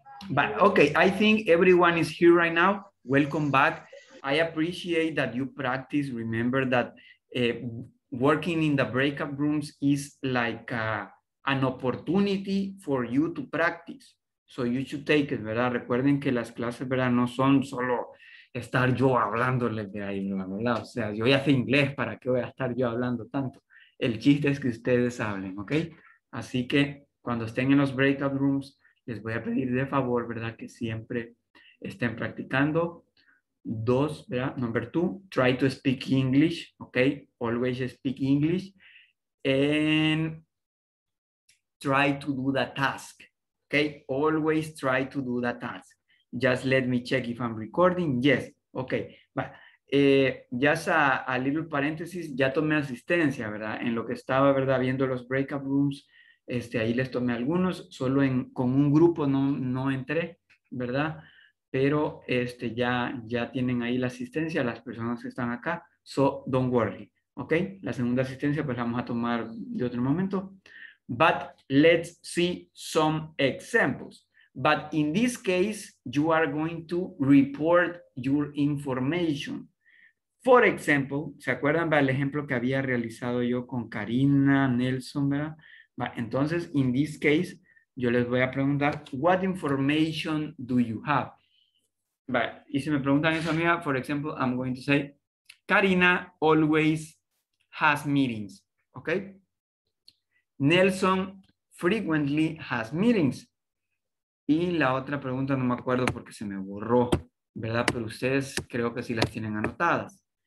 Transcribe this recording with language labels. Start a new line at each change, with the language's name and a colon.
English: But okay, I think everyone is here right now. Welcome back. I appreciate that you practice. Remember that working in the breakout rooms is like an opportunity for you to practice. So you should take it,
Spanish: ¿verdad? Recuerden que las clases, ¿verdad? No son solo estar yo hablándoles de ahí, ¿verdad? O sea, yo ya sé inglés, ¿para qué voy a estar yo hablando tanto? El chiste es que ustedes hablen, ¿ok? Así que cuando estén en los breakout rooms, les voy a pedir de favor, ¿verdad? Que siempre estén practicando. Dos, ¿verdad?
English: Number two, try to speak English, ¿ok? Always speak English. And try to do the task. Okay, always try to do the task. Just let me check if I'm recording. Yes, okay. But, just a little parenthesis,
Spanish: ya tomé asistencia, ¿verdad? En lo que estaba, ¿verdad? Viendo los breakout rooms, ahí les tomé algunos. Solo con un grupo no entré, ¿verdad? Pero ya tienen ahí la asistencia las personas que están acá.
English: So, don't worry, okay?
Spanish: La segunda asistencia pues la vamos a tomar de otro momento.
English: But let's see some examples. But in this case, you are going to report your information. For example,
Spanish: ¿se acuerdan del ejemplo que había realizado yo con Karina, Nelson, ¿verdad?
English: But, entonces, in this case,
Spanish: yo les voy a preguntar,
English: what information do you have? But,
Spanish: y si me preguntan eso, amiga,
English: for example, I'm going to say, Karina always has meetings, okay? Nelson frequently has meetings.
Spanish: Y la otra pregunta no me acuerdo porque se me borró, ¿verdad? Pero ustedes creo que sí las tienen anotadas.